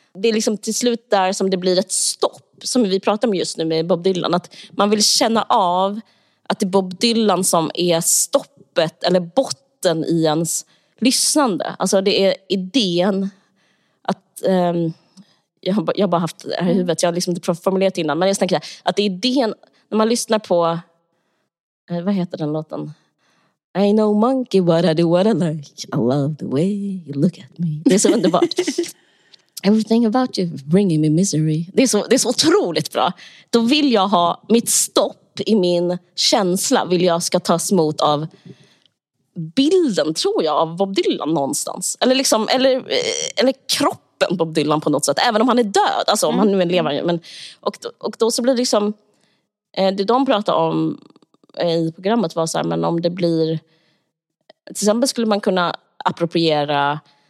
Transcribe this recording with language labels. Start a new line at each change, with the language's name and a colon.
Swedish: Det är liksom till slut där som det blir ett stopp, som vi pratar om just nu med Bob Dylan, att man vill känna av att det är Bob Dylan som är stoppet eller botten i ens lyssnande. Alltså det är idén att jag har bara haft det här i huvudet, jag har liksom inte formulerat innan, men jag tänker att det är idén när man lyssnar på, vad heter den låten?
English: I know monkey what I do what I like. I love the way you look at me.
Swedish: Det är så underbart.
English: Everything about you bringing me misery.
Swedish: Det är så otroligt bra. Då vill jag ha mitt stopp i min känsla. Vill jag ska tas emot av bilden, tror jag, av Bob Dylan någonstans. Eller liksom, eller kroppen Bob Dylan på något sätt. Även om han är död. Alltså om han nu är levande. Men, och då så blir det liksom... Det de pratar om i programmet var så här, men om det blir till exempel, skulle man kunna appropriera,